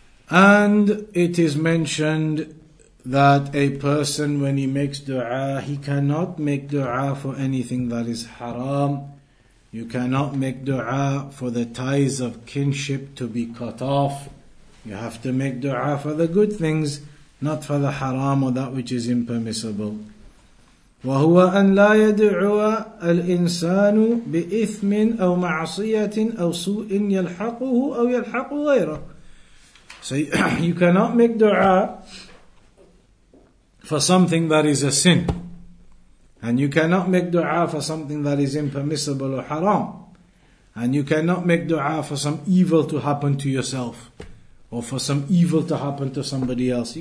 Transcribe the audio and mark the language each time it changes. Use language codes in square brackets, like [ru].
[en] And it is mentioned that a person, when he makes dua, he cannot make dua for anything that is haram. You cannot make dua for the ties of kinship to be cut off. You have to make dua for the good things, not for the haram or that which is impermissible. [ar] وهو أن لا يدعو الإنسان بإثم أو معصية أو سوء يلحقه أو يلحق غيره. [en] So you cannot make dua for something that is a sin. And you cannot make dua for something that is impermissible or haram. And you cannot make dua for some evil to happen to yourself, or for some evil to happen to somebody else.